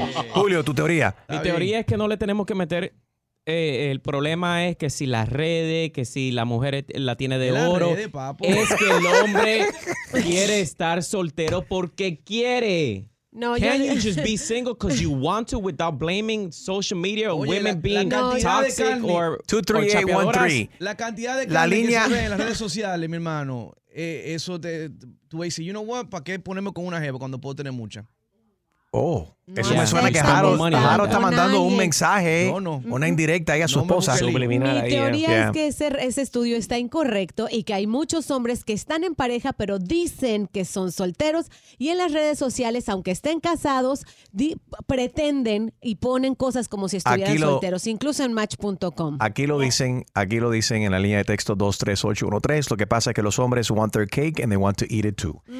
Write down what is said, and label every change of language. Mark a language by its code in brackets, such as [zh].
[es] Julio, tu teoría. Mi teoría es que no le tenemos que meter. El problema es que si las redes, que si la mujer la tiene de oro, es que el hombre quiere estar soltero porque quiere. No, [en] can you just be single because you want to without blaming social media or women being toxic or [es] 23813? La cantidad de carne que se ve en las redes sociales, mi hermano, eso te. Tú vas a decir, [en] you know what, [es] ¿para qué ponerme con una jeva cuando puedo tener mucha? Oh, eso me suena que Jaro está mandando un mensaje, una indirecta ahí a su esposa. Mi teoría es que ese estudio está incorrecto y que hay muchos hombres que están en pareja, pero dicen que son solteros. Y en las redes sociales, aunque estén casados, pretenden y ponen cosas como si estuvieran solteros, incluso en Match.com. Aquí lo dicen en la línea de texto 23813. Lo que pasa es que los hombres [en] want their cake and they want to eat it too.